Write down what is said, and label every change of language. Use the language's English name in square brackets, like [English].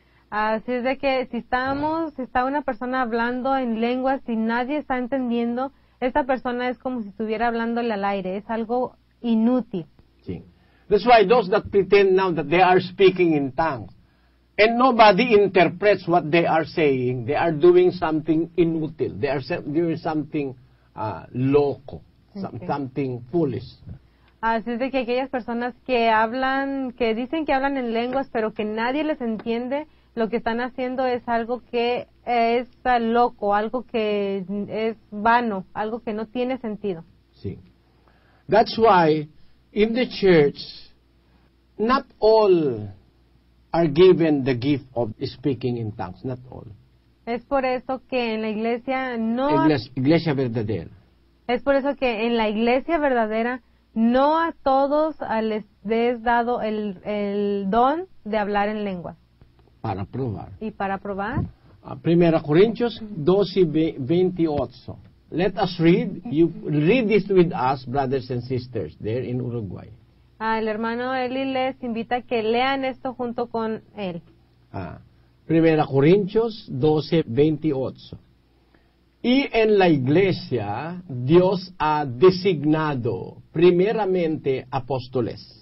[Spanish] Así es de que si está una persona hablando en lenguas y nadie está entendiendo, esta persona es como si estuviera hablándole al aire, es algo inútil. Sí. [English] That's why those that pretend now that they are speaking in tongues and nobody interprets what they are saying, they are doing something inútil, they are doing something loco, something foolish. [Spanish] Así es de que aquellas personas que dicen que hablan en lenguas pero que nadie les entiende, lo que están haciendo es algo que es loco, algo que es vano, algo que no tiene sentido. Sí. [English] That's why in the church, not all are given the gift of speaking in tongues, not all. [Spanish] Es por eso que en la iglesia no... Iglesia verdadera. Es por eso que en la iglesia verdadera no a todos les es dado el don de hablar en lenguas. Para probar. ¿Y para probar? [English] 1 Corintios 12:28. Let us read. You read this with us, brothers and sisters, there in Uruguay. [Spanish] El hermano Eli les invita a que lean esto junto con él. 1 Corintios 12:28. Y en la iglesia, Dios ha designado primeramente apóstoles.